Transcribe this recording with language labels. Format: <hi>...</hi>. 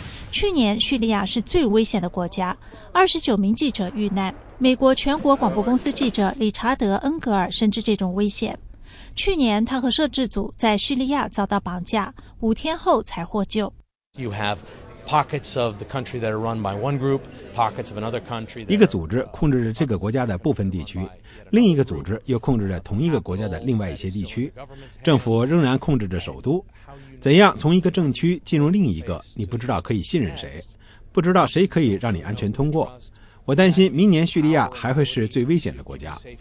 <zh>去年叙利亚是最危险的国家，29名记者遇难。美国全国广播公司记者理查德·恩格尔深知这种危险。去年他和摄制组在叙利亚遭到绑架，5天后才获救。</zh> <en>You have pockets of the country that are run by one group, pockets of another country.</en> <zh>一个组织控制着这个国家的部分地区，另一个组织又控制着同一个国家的另外一些地区，政府仍然控制着首都。怎样从一个政区进入另一个，你不知道可以信任谁，不知道谁可以让你安全通过。我担心明年叙利亚还会是最危险的国家。</zh>